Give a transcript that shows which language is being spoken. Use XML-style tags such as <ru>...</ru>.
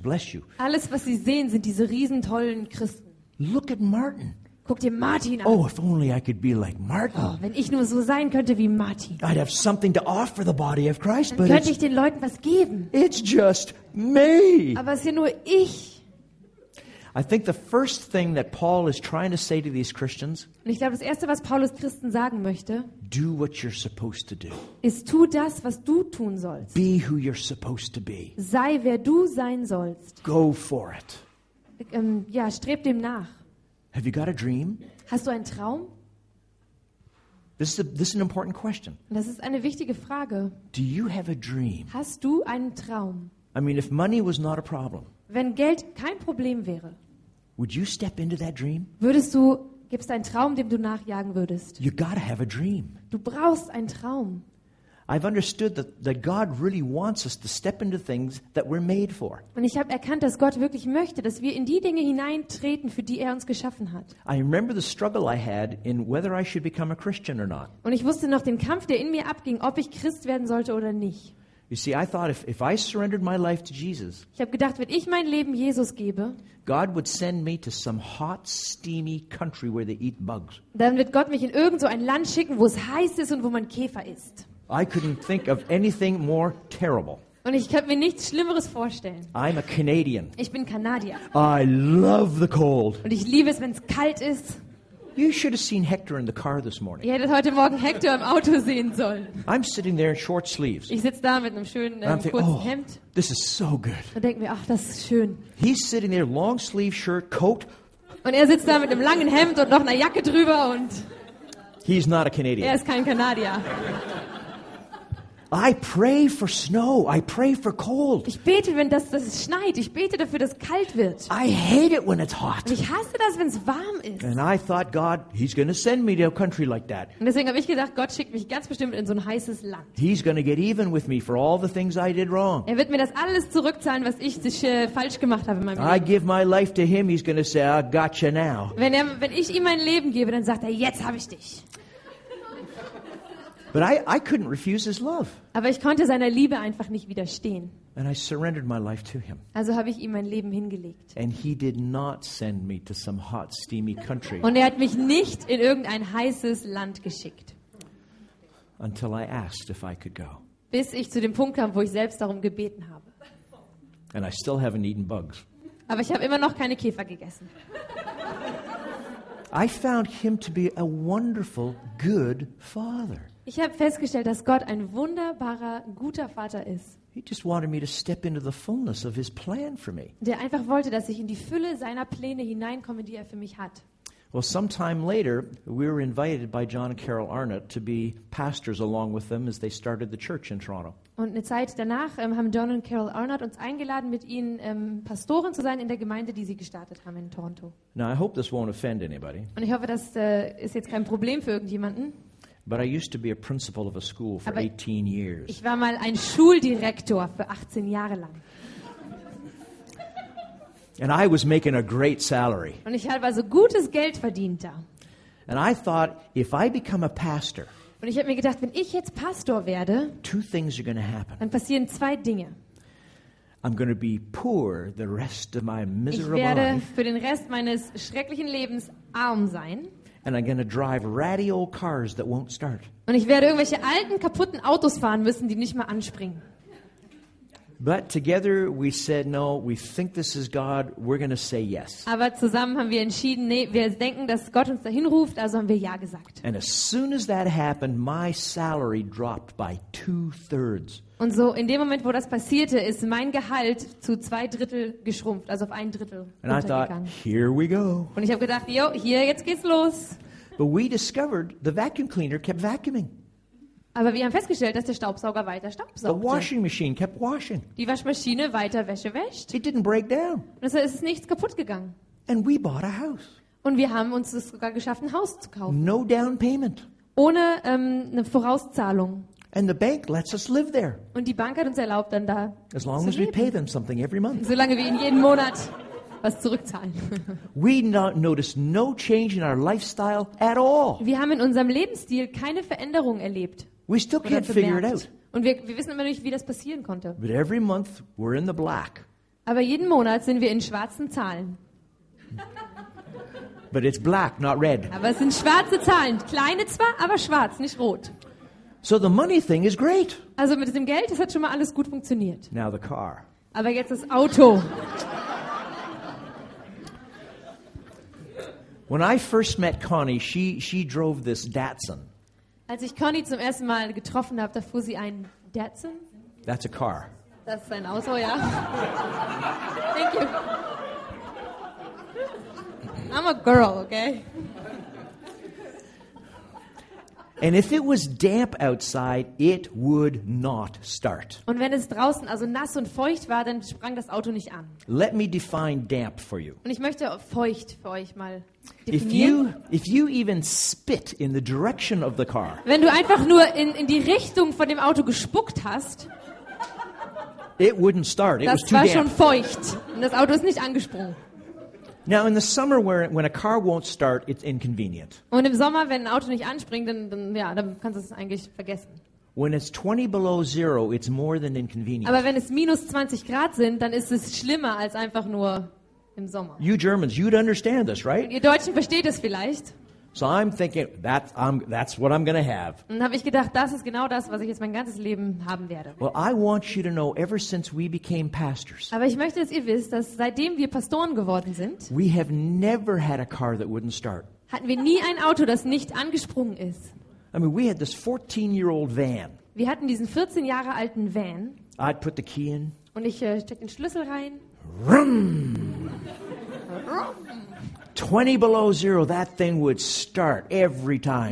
<en>Bless you.</en> <de>Alles, was sie sehen, sind diese riesen tollen Christen.</de> <en>Look at Martin.</en> <de>Guck dir Martin an.</de> <en>Oh, if only I could be like Martin.</en> <de>Oh, wenn ich nur so sein könnte wie Martin.</de> <en>I'd have something to offer the body of Christ,</en> <de>dann könnte ich den Leuten was geben.</de> <en>It's just me.</en> <de>Aber es ist ja nur ich.</de> <en>I think the first thing that Paul is trying to say to these Christians.</en> <de>Und ich glaube, das erste, was Paulus Christen sagen möchte.</de> <en>Do what you're supposed to do.</en> <de>Ist tu das, was du tun sollst.</de> <en>Be who you're supposed to be.</en> <de>Sei wer du sein sollst.</de> <en>Go for it.</en> <de>Ja, streb dem nach.</de> <en>Have you got a dream?</en> <de>Hast du einen Traum?</de> <en>This is an important question.</en> <de>Das ist eine wichtige Frage.</de> <en>Do you have a dream?</en> <de>Hast du einen Traum?</de> <en>I mean, if money was not a problem.</en> <de>Wenn Geld kein Problem wäre,</de> <en>would you step into that dream?</en> <de>Würdest du, gibt's einen Traum, dem du nachjagen würdest?</de> <en>You gotta have a dream.</en> <de>Du brauchst einen Traum.</de> <en>I've understood that God really wants us to step into things that we're made for.</en> <de>Und ich habe erkannt, dass Gott wirklich möchte, dass wir in die Dinge hineintreten, für die er uns geschaffen hat.</de> <en>I remember the struggle I had in whether I should become a Christian or not.</en> <de>Und ich wusste noch den Kampf, der in mir abging, ob ich Christ werden sollte oder nicht.</de> <en>You see, I thought if I surrendered my life to Jesus,</en> <de>ich habe gedacht, wenn ich mein Leben Jesus gebe,</de> <en>God would send me to some hot, steamy country where they eat bugs.</en> <de>Dann wird Gott mich in irgend so ein Land schicken, wo es heiß ist und wo man Käfer isst.</de> <en>I couldn't think of anything more terrible.</en> <de>Und ich kann mir nichts Schlimmeres vorstellen.</de> <en>I'm a Canadian.</en> <de>Ich bin Kanadier.</de> <en>I love the cold.</en> <de>Und ich liebe es, wenn es kalt ist.</de> <en>You should have seen Hector in the car this morning.</en> <de>Ihr hättet heute Morgen Hector im Auto sehen sollen.</de> <en>I'm sitting there in short sleeves.</en> <de>Ich sitze da mit einem schönen kurzen Hemd.</de> <en>This is so good.</en> <de>Und denke mir, ach, das ist schön.</de> <en>He's sitting there, long sleeve shirt, coat.</en> <de>Und er sitzt da mit einem langen Hemd und noch einer Jacke drüber und.</de> <en>He's not a Canadian.</en> <de>Er ist kein Kanadier.</de> <en>I pray for snow. I pray for cold.</en> <de>Ich bete, wenn das schneit. Ich bete dafür, dass kalt wird.</de> <en>I hate it when it's hot.</en> <de>Und ich hasse das, wenn es warm ist.</de> <en>And I thought, God, he's going to send me to a country like that.</en> <de>Und deswegen habe ich gedacht, Gott schickt mich ganz bestimmt in so ein heißes Land.</de> <en>He's going to get even with me for all the things I did wrong.</en> <de>Er wird mir das alles zurückzahlen, was ich falsch gemacht habe in meinem Leben.</de> <en>I give my life to him, he's going to say, I got you now.</en> <de>Wenn ich ihm mein Leben gebe, dann sagt er, jetzt habe ich dich.</de> <en>But I couldn't refuse his love.</en> <de>Aber ich konnte seiner Liebe einfach nicht widerstehen.</de> <en>And I surrendered my life to him.</en> <de>Also habe ich ihm mein Leben hingelegt.</de> <en>And he did not send me to some hot, steamy country.</en> <de>Und er hat mich nicht in irgendein heißes Land geschickt.</de> <en>Until I asked if I could go.</en> <de>Bis ich zu dem Punkt kam, wo ich selbst darum gebeten habe.</de> <en>And I still haven't eaten bugs.</en> <de>Aber ich habe immer noch keine Käfer gegessen.</de> <en>I found him to be a wonderful, good father.</en> <de>Ich habe festgestellt, dass Gott ein wunderbarer, guter Vater ist.</de> <en>He just wanted me to step into the fullness of his plan for me.</en> <de>Der einfach wollte, dass ich in die Fülle seiner Pläne hineinkomme, die er für mich hat.</de> <en>Well, sometime later, we were invited by John and Carol Arnott to be pastors along with them as they started the church in Toronto.</en> <de>Und eine Zeit danach haben John und Carol Arnott uns eingeladen, mit ihnen Pastoren zu sein in der Gemeinde, die sie gestartet haben in Toronto.</de> <en>Now, I hope this won't offend anybody.</en> <de>Und ich hoffe, das ist jetzt kein Problem für irgendjemanden.</de> <en>But I used to be a principal of a school for 18 years.</en> <de>Ich war mal ein Schuldirektor für 18 Jahre lang.</de> <en>And I was making a great salary.</en> <de>Und ich habe also gutes Geld verdient da.</de> <en>And I thought, if I become a pastor,</en> <de>und ich habe mir gedacht, wenn ich jetzt Pastor werde,</de> <en>two things are going to happen.</en> <de>Dann passieren zwei Dinge.</de> <en>I'm going to be poor the rest of my miserable life.</en> <de>Ich werde</de> <en>life.</en> <de>Für den Rest meines schrecklichen Lebens arm sein.</de> <en>And I'm going to drive ratty old cars that won't start.</en> <de>Und ich werde irgendwelche alten kaputten Autos fahren müssen, die nicht mal anspringen.</de> <en>But together we said no, we think this is God, we're going to say yes.</en> <de>Aber zusammen haben wir entschieden, nee, wir denken, dass Gott uns dahin ruft, also haben wir ja gesagt.</de> <en>And as soon as that happened, my salary dropped by 2/3.</en> <de>Und so in dem Moment, wo das passierte, ist mein Gehalt zu 2/3 geschrumpft, also auf 1/3</de> <en>And</en> <de>untergegangen.</de> <en>I thought, here we go.</en> <de>Und ich habe gedacht, jo, hier, jetzt geht's los.</de> <en>But we discovered the vacuum cleaner kept vacuuming.</en> <de>Aber wir haben festgestellt, dass der Staubsauger weiter staubsaugte.</de> <en>The washing machine kept washing.</en> <de>Die Waschmaschine weiter Wäsche wäscht.</de> <en>It didn't break down.</en> <de>Und es ist nichts kaputt gegangen.</de> <en>And we bought a house.</en> <de>Und wir haben uns es sogar geschafft, ein Haus zu kaufen.</de> <en>No down payment.</en> <de>Ohne eine Vorauszahlung.</de> <en>And the bank lets us live there.</en> <de>Und die Bank hat uns erlaubt, dann da</de> <en>as long</en> <de>zu</de> <en>as</en> <de>leben.</de> <en>We pay them something every month.</en> <de>Solange wir ihnen jeden Monat was zurückzahlen.</de> <en>We not notice no change in our lifestyle at all.</en> <de>Wir haben in unserem Lebensstil keine Veränderung erlebt.</de> <en>We still can't figure it out.</en> <de>Und wir wissen immer noch nicht, wie das passieren konnte.</de> <en>But every month we're in the black.</en> <de>Aber jeden Monat sind wir in schwarzen Zahlen.</de> <en>But it's black, not red.</en> <de>Aber es sind schwarze Zahlen. Kleine zwar, aber schwarz, nicht rot.</de> <en>So the money thing is great.</en> <de>Also mit diesem Geld, das hat schon mal alles gut funktioniert.</de> <en>Now the car.</en> <de>Aber jetzt das Auto.</de> <en>When I first met Connie, she drove this Datsun.</en> <de>Als ich Connie zum ersten Mal getroffen habe, da fuhr sie einen Datsun.</de> <en>That's a car.</en> <de>Das ist ein Auto, ja.</de> <en>Thank you. I'm a girl, okay? And if it was damp outside, it would not start.</en> <de>Und wenn es draußen also nass und feucht war, dann sprang das Auto nicht an.</de> <en>Let me define damp for you.</en> <de>Und ich möchte feucht für euch mal definieren.</de> <en>If you even spit in the direction of the car.</en> <de>Wenn du einfach nur in die Richtung von dem Auto gespuckt hast,</de> <en>it wouldn't start. It was too damp.</en> <de>Das war schon feucht und das Auto ist nicht angesprungen.</de> <en>Now in the summer when a car won't start, it's inconvenient.</en> <de>Und im Sommer, wenn ein Auto nicht anspringt, dann kannst du es eigentlich vergessen.</de> <en>When it's 20 below zero, it's more than inconvenient.</en> <de>Aber wenn es minus 20 Grad sind, dann ist es schlimmer als einfach nur im Sommer.</de> <en>You Germans, you'd understand this, right?</en> <de>Ihr Deutschen versteht es vielleicht.</de> <en>So I'm thinking that's what I'm going to have.</en> <de>Und habe ich gedacht, das ist genau das, was ich jetzt mein ganzes Leben haben werde.</de> <en>Well, I want you to know ever since we became pastors.</en> <de>Aber ich möchte, dass ihr wisst, dass seitdem wir Pastoren geworden sind,</de> <en>we have never had a car that wouldn't start.</en> <de>Hatten wir nie ein Auto, das nicht angesprungen ist.</de> <en>I mean, we had this 14-year-old van.</en> <de>Wir hatten diesen 14 Jahre alten Van.</de> <en>I'd put the key in.</en> <de>Und ich steck den Schlüssel rein. Rum.</de> <en>20 below zero, that thing would start every time.</en>